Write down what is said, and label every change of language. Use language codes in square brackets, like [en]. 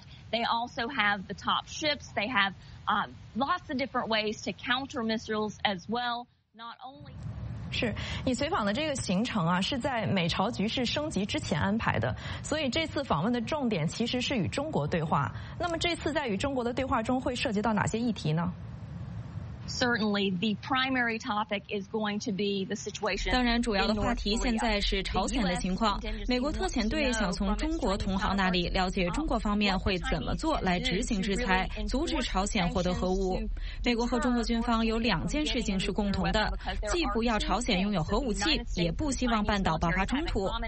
[en] They also have the top ships. They have lots of different ways to counter missiles as well. Not only. [zh] 是你随访的这个行程啊，是在美朝局势升级之前安排的。所以这次访问的重点其实是与中国对话。那么这次在与中国的对话中会涉及到哪些议题呢？ [en] Certainly, the primary topic is going to be the situation. [zh] 当然，主要的话题现在是朝鲜的情况。美国特遣队想从中国同行那里了解中国方面会怎么做来执行制裁，阻止朝鲜获得核武。美国和中国军方有两件事情是共同的，既不要朝鲜拥有核武器，也不希望半岛爆发冲突。